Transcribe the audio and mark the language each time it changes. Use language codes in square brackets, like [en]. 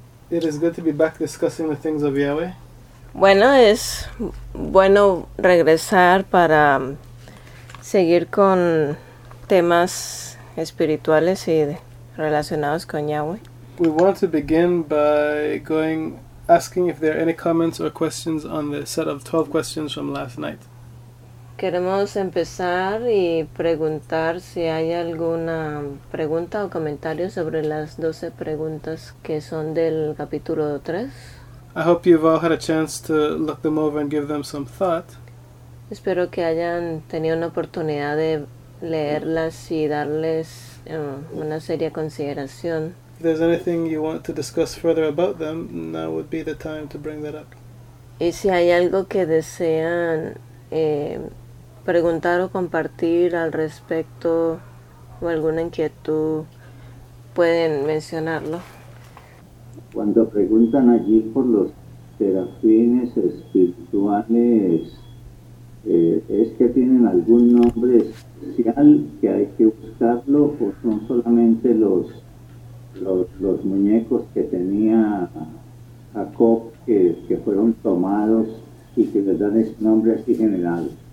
[en] It is good to be back discussing the things of Yahweh. [es] Bueno, es bueno regresar para seguir con temas espirituales y relacionados con Yahweh. [en] We want to begin by going asking if there are any comments or questions on the set of 12 questions from last night. [es] Queremos empezar y preguntar si hay alguna pregunta o comentario sobre las 12 preguntas que son del capítulo 3. [en] I hope you've all had a chance to look them over and give them some thought. [es] Espero que hayan tenido una oportunidad de leerlas y darles una seria consideración. [en] If there's anything you want to discuss further about them, now would be the time to bring that up. [es] Y si hay algo que desean preguntar o compartir al respecto o alguna inquietud, pueden mencionarlo. Cuando preguntan allí por los serafines espirituales, ¿es que tienen algún nombre especial que hay que buscarlo o son solamente los muñecos que tenía Jacob que fueron tomados y que les dan ese nombre así general?